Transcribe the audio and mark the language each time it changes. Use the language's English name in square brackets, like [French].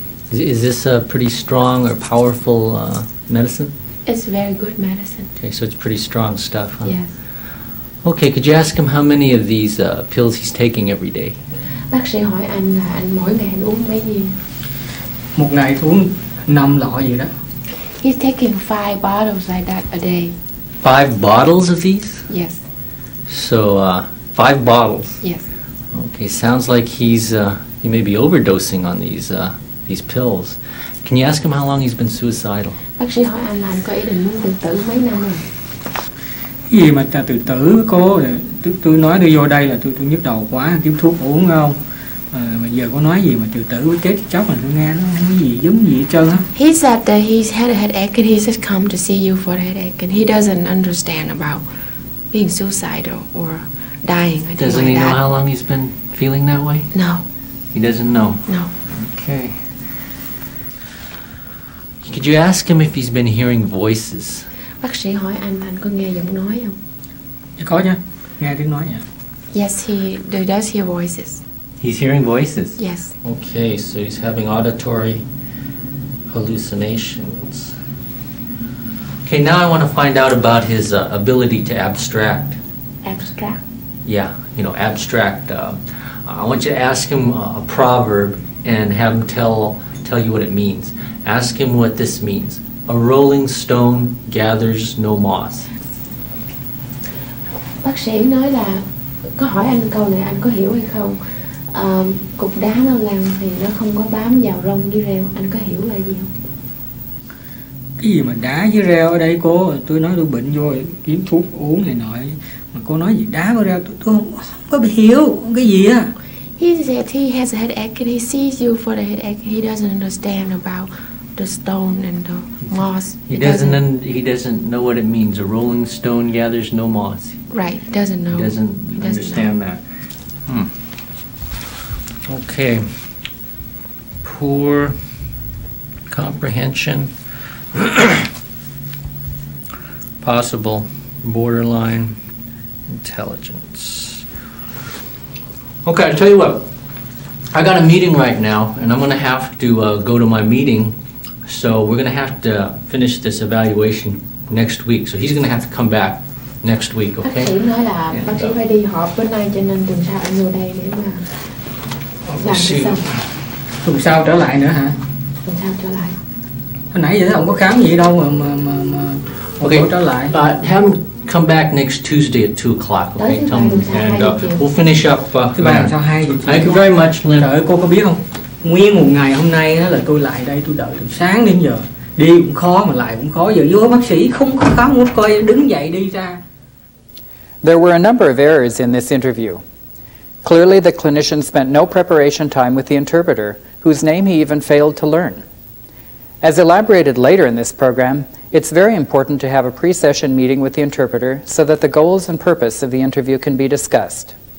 [English] Is this a pretty strong or powerful medicine? It's very good medicine. Okay, so it's pretty strong stuff, huh? Yes. Okay, could you ask him how many of these pills he's taking every day? [Vietnamese] Bác sĩ hỏi anh mỗi ngày anh uống mấy gì? Một ngày uống 5 lọ gì đó. [English] He's taking 5 bottles like that a day. 5 bottles of these? Yes. So, 5 bottles? Yes. Okay, sounds like he may be overdosing on these pills. Can you ask him how long he's been suicidal? [Vietnamese] Bác sĩ hỏi anh là anh có ý định muốn tự tử mấy năm rồi? Cái gì mà ta tự tử cô? Tôi nói tôi vô đây là tôi nhức đầu quá, kiếm thuốc uống không? Bây giờ có nói gì mà tự tử với chết chóc mà tôi nghe nó không có gì giống gì hết trơn á. [English] He said that he's had a headache and he just come to see you for the headache and he doesn't understand about being suicidal or dying. Doesn't he know how long he's been feeling that way? No. He doesn't know? No. Okay. Could you ask him if he's been hearing voices? [Vietnamese] Bác sĩ hỏi anh có nghe giọng nói không? Dạ có nha, nghe tiếng nói nha. [English] Yes, he does hear voices. He's hearing voices? Yes. Okay, so he's having auditory hallucinations. Okay, now I want to find out about his ability to abstract. Abstract? Yeah, you know, abstract. I want you to ask him a proverb and have him tell you what it means. Ask him what this means. A rolling stone gathers no moss. [Vietnamese] Bác sĩ nói là có hỏi anh câu này anh có hiểu hay không? Cục đá nó lăn thì nó không có bám vào rong dưới rêu. Anh có hiểu là gì không? Cái gì mà đá dưới rêu ở đây cô? Tôi nói tôi bệnh vô kiếm thuốc uống này nọ. Mà cô nói gì đá vào rêu tôi không có hiểu cái gì á. [English] He said he has a headache and he sees you for the headache. He doesn't understand about the stone and the moss. He doesn't know what it means. A rolling stone gathers no moss. Right, he doesn't know. He doesn't understand that. Hmm. Okay. Poor comprehension. Possible borderline intelligence. Okay, I'll tell you what. I got a meeting right now, and I'm going to have to go to my meeting. So we're going to have to finish this evaluation next week. So he's going to have to come back next week, okay? [Vietnamese] Bác sĩ nói là bác sĩ phải đi họp bữa nay, cho nên tuần sau anh vô đây để mà làm cái xong. Tuần sau trở lại nữa hả? Tuần sau trở lại. Hồi nãy giờ không có khám gì đâu mà [English] okay. [Vietnamese] Trở lại. [English] Come back next Tuesday at 2 o'clock, okay? Tell me. And we'll finish up. Thank you very much, Lynn. [Vietnamese] Trời ơi, cô có biết không? Nguyên một ngày hôm nay là tôi lại đây, tôi đợi từ sáng đến giờ. Đi cũng khó mà lại cũng khó. Giờ vô bác sĩ không có khám, muốn coi đứng dậy đi ra. [English] There were a number of errors in this interview. Clearly, the clinician spent no preparation time with the interpreter, whose name he even failed to learn. As elaborated later in this program, it's very important to have a pre-session meeting with the interpreter so that the goals and purpose of the interview can be discussed.